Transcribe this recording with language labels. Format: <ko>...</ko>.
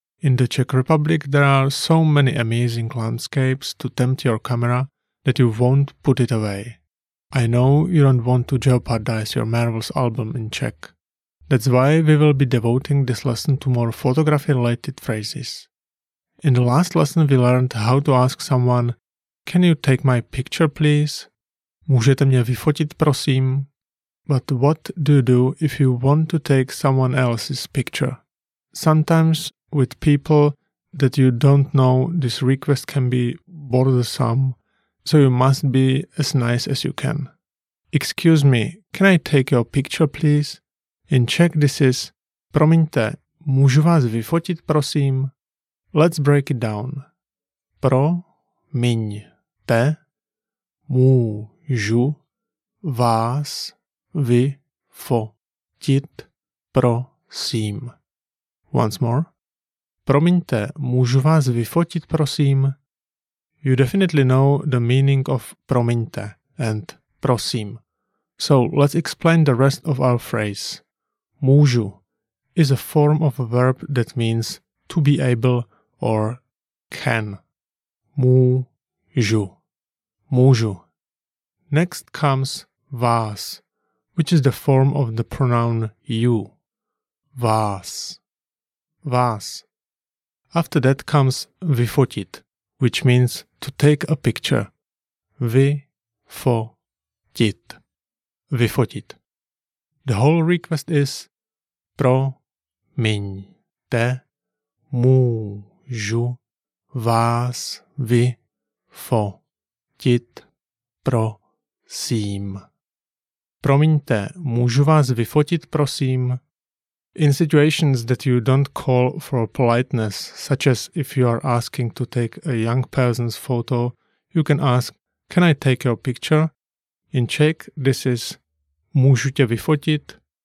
<en>In the Czech Republic, there are so many amazing landscapes to tempt your camera that you won't put it away. I know you don't want to jeopardize your marvels album in Czech. That's why we will be devoting this lesson to more photography-related phrases. In the last lesson, we learned how to ask someone, "Can you take my picture, please?"</en> <cs>Můžete mě vyfotit, prosím?</cs> <en>But what do you do if you want to take someone else's picture? Sometimes, with people that you don't know, this request can be bothersome, so you must be as nice as you can. "Excuse me, can I take your picture, please?" In Czech, this is</en> <cs>"Promiňte, můžu vás vyfotit, prosím?"</cs> <en>Let's break it down.</en> <cs>Promiňte, můžu vás vyfotit, prosím.</cs> <en>Once more.</en> <cs>Promiňte, můžu vás vyfotit, prosím?</cs> <en>You definitely know the meaning of promiňte and prosím. So let's explain the rest of our phrase. Můžu is a form of a verb that means to be able or can. Můžu. Můžu. Next comes vás, which is the form of the pronoun you. Vás. Vás. After that comes vyfotit, which means to take a picture.</en> <cs>Vyfotit. Vyfotit.</cs> <en>The whole request is</en> <cs>promiňte, můžu vás vyfotit, prosím. Promiňte, můžu vás vyfotit, prosím.</cs> <en>In situations that you don't call for politeness, such as if you are asking to take a young person's photo, you can ask, "Can I take your picture?" In Czech, this is</en> <cs>můžu tě vyfotit.</cs>